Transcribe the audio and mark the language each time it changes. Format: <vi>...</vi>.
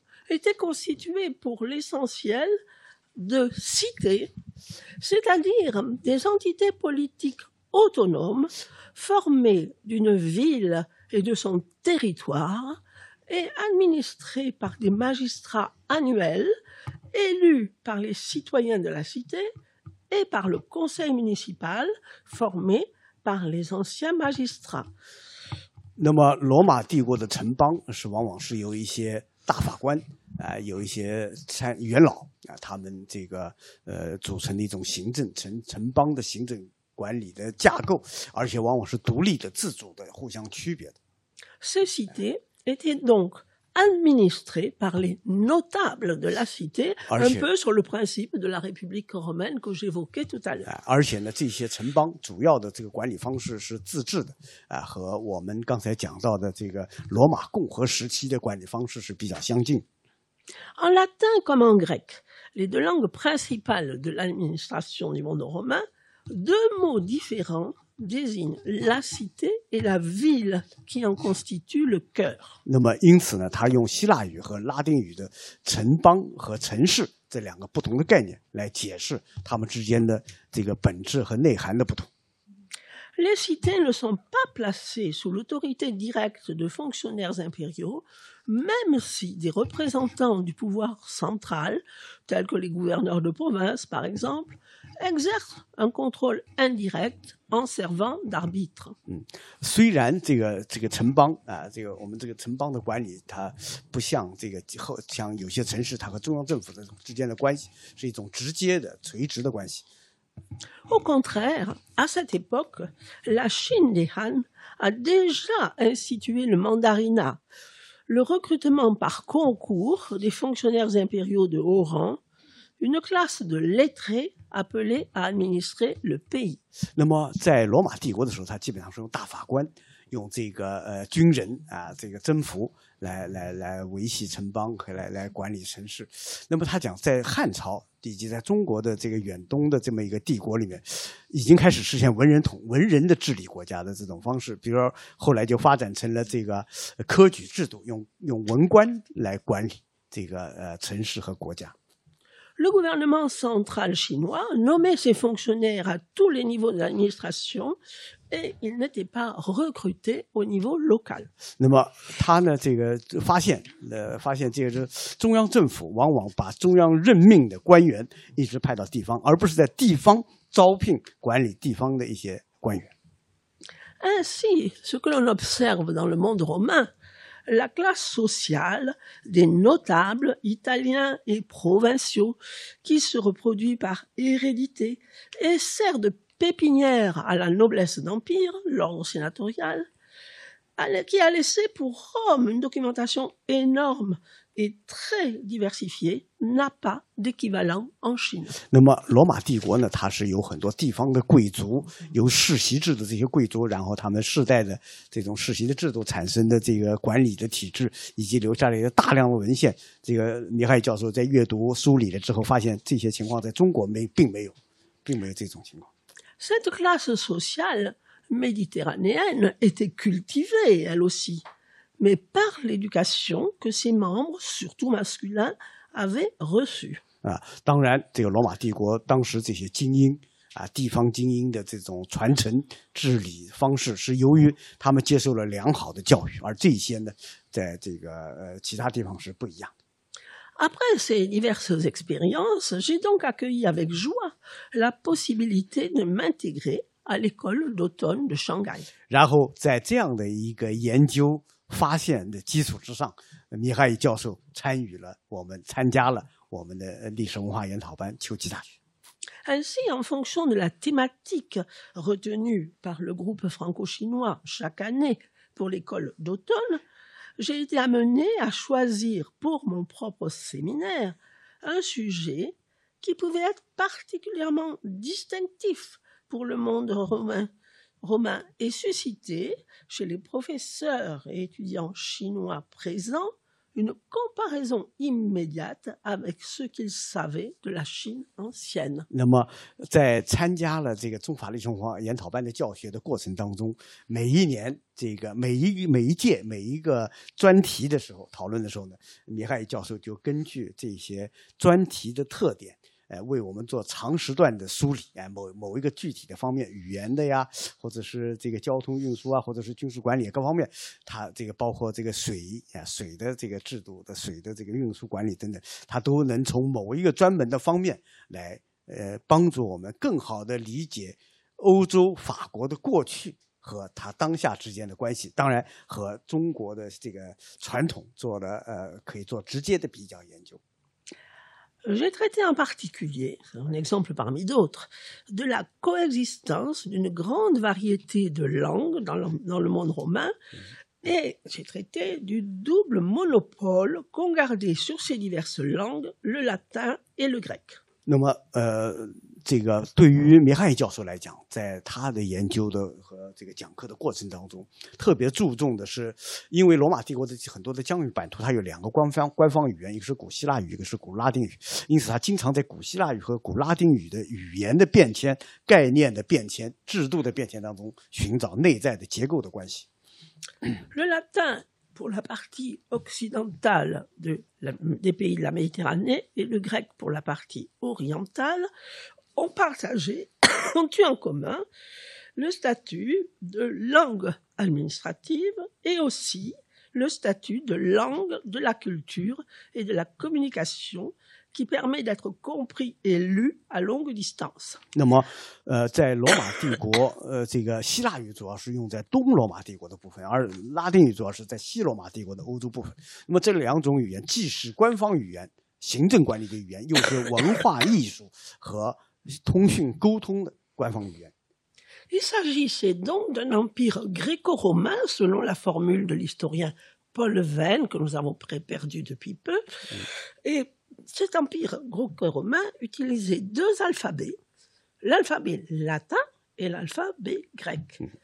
<fr>étaient constitués pour l'essentiel de cités, c'est-à-dire des entités politiques autonomes formées d'une ville et de son territoire et administrées par des magistrats annuels. Élus par les citoyens de la cité et par le conseil municipal formé par les anciens magistrats.</fr> <zh>那么罗马帝国的城邦是往往是由一些大法官有一些元老他们这个组成的一种行政城邦的行政管理的架构，而且往往是独立的、自主的、互相区别的。</zh> <fr>Ces cités étaient donc administrées par les notables de la cité, un peu sur le principe de la République romaine que j'évoquais tout à l'heure.</fr> <zh>而且呢，这些城邦主要的这个管理方式是自治的，和我们刚才讲到的这个罗马共和时期的管理方式是比较相近。</zh> <fr>En latin comme en grec, les deux langues principales de l'administration du monde romain, deux mots différents désignent la cité et la ville qui en constituent le cœur.</fr> <zh>那么因此呢，他用希腊语和拉丁语的城邦和城市这两个不同的概念来解释他们之间的这个本质和内涵的不同。</zh> <fr>Les cités ne sont pas placées sous l'autorité directe de fonctionnaires impériaux, même si des représentants du pouvoir central, tels que les gouverneurs de province, par exemple, exercent un contrôle indirect en servant d'arbitre.</fr> <zh>虽然这个城邦我们这个城邦的管理，它不像这个像有些城市，它和中央政府的之间的关系是一种直接的垂直的关系。</zh> <fr>Au contraire, à cette époque, la Chine des Han a déjà institué le mandarinat, le recrutement par concours des fonctionnaires impériaux de haut rang, une classe de lettrés appelés à administrer le pays.</fr> <zh>那么在罗马帝国的时候，他基本上是用大法官，用这个军人这个征服来维系城邦和来管理城市。那么他讲在汉朝以及在中国的这个远东的这么一个帝国里面，已经开始实现文人的治理国家的这种方式，比如说后来就发展成了这个科举制度，用文官来管理这个城市和国家。</zh> <fr>Le gouvernement central chinois nommait ses fonctionnaires à tous les niveaux de l'administration et ils n'étaient pas recrutés au niveau local.</fr> <zh>那么他呢，这个发现这个是中央政府往往把中央任命的官员一直派到地方，而不是在地方招聘管理地方的一些官员。</zh> <fr>Ainsi, ce que l'on observe dans le monde romain,la classe sociale des notables italiens et provinciaux qui se reproduit par hérédité et sert de pépinière à la noblesse d'empire, l'ordre sénatorial, qui a laissé pour Rome une documentation énorme et très diversifiée, n'a pas d'équivalent en Chine.</fr> <zh>那么罗马帝国呢，它是有很多地方的贵族，由世袭制的这些贵族，然后他们世代的这种世袭的制度产生的这个管理的体制，以及留下来的大量的文献。这个米哈伊教授在阅读梳理了之后，发现这些情况在中国并没有这种情况。</zh> <fr>Cette classe sociale méditerranéenne était cultivée, elle aussi. Mais par l'éducation que ses membres, surtout masculins, avaient reçue.</fr> <zh>当然，这个罗马帝国当时这些精英地方精英的这种传承治理方式，是由于他们接受了良好的教育，而这些呢，在这个其他地方是不一样的。</zh> <fr>Après ces diverses expériences, j'ai donc accueilli avec joie la possibilité de m'intégrer à l'école d'automne de Shanghai.</fr> <zh>然后，在这样的一个研究。发现的基础之上，米哈伊教授参加了我们的历史文化研讨班秋季大学。</zh> <fr>Ainsi, en fonction de la thématique retenue par le groupe franco-chinois chaque année pour l'école d'automne, j'ai été amené à choisir pour mon propre séminaire un sujet qui pouvait être particulièrement distinctif pour le monde romain et susciter chez les professeurs et étudiants chinois présents une comparaison immédiate avec ce qu'ils savaient de la Chine ancienne.</fr> <zh>那么在参加了这个中法历史文化研讨班的教学的过程当中，每一年这个每一届每一个专题的时候讨论的时候呢，米哈伊教授就根据这些专题的特点为我们做长时段的梳理某一个具体的方面，语言的呀，或者是这个交通运输或者是军事管理各方面，它这个包括这个水的这个制度的水的这个运输管理等等，它都能从某一个专门的方面来帮助我们更好的理解欧洲法国的过去和它当下之间的关系，当然和中国的这个传统做了可以做直接的比较研究。</zh> <fr>J'ai traité en particulier, un exemple parmi d'autres, de la coexistence d'une grande variété de langues dans le monde romain, et j'ai traité du double monopole qu'ont gardé sur ces diverses langues le latin et le grec.</fr> <zh>那么，这个对于米哈伊教授来讲，在他的研究的和这个讲课的过程当中，特别注重的是，因为罗马帝国的很多的疆域版图，它有两个官方语言，一个是古希腊语，一个是古拉丁语，因此他经常在古希腊语和古拉丁语的语言的变迁、概念的变迁、制度的变迁当中寻找内在的结构的关系。</zh> <fr>Le latin pour la partie occidentale des pays de la Méditerranée et le grec pour la partie orientale ont partagé, ont eu en commun le statut de langue administrative et aussi le statut de langue de la culture et de la communication qui permet d'être compris et lu à longue distance.</fr> <zh>那么，在罗马帝国，这个希腊语主要是用在东罗马帝国的部分，而拉丁语主要是在西罗马帝国的欧洲部分。那么这两种语言既是官方语言、行政管理的语言，又是文化艺术和通讯沟通的官方语言。</zh> <fr>Il s'agissait donc d'un empire gréco-romain, selon la formule de l'historien Paul Venn, que nous avons perdu depuis peu, et cet empire gréco-romain utilisait deux alphabets, l'alphabet latin et l'alphabet grec.</fr>